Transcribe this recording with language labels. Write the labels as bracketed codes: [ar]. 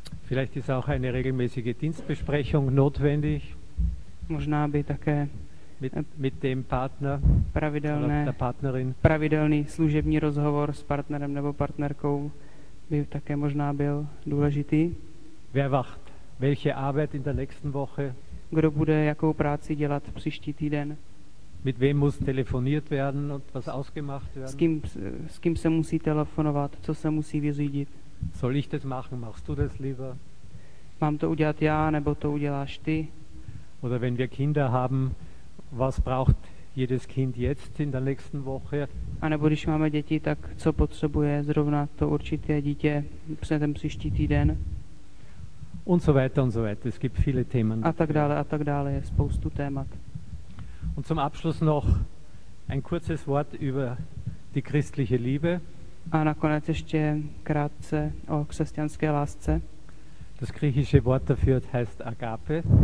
[de] Vielleicht ist auch eine regelmäßige Dienstbesprechung notwendig. [cs] Možná by také [de] mit dem Partner, [cs] pravidelné, [de] der Partnerin. [cs] Pravidelný služební rozhovor s partnerem nebo partnerkou by také možná byl důležitý. [de] Wer wacht? Welche Arbeit in der nächsten Woche? [cs] Kdo bude jakou práci dělat příští týden? [de] Mit wem muss telefoniert werden und was ausgemacht werden? [cs] S kým se musí telefonovat, co se musí vyřídit? [de] Soll ich das machen, machst du das lieber? [cs] Mám to udělat já, nebo to uděláš ty? [de] Oder wenn wir Kinder haben, was braucht jedes Kind jetzt in der nächsten Woche? [cs] A nebo když máme děti, tak co potřebuje zrovna to určité dítě před ten příští týden? [de] Und so weiter und so weiter, es gibt viele Themen. [cs] A tak dále, je spoustu témat. [de] Und zum Abschluss noch ein kurzes Wort über die christliche Liebe. [cs] A nakonec ještě krátce o křesťanské lásce. [de] Das griechische Wort dafür heißt Agape.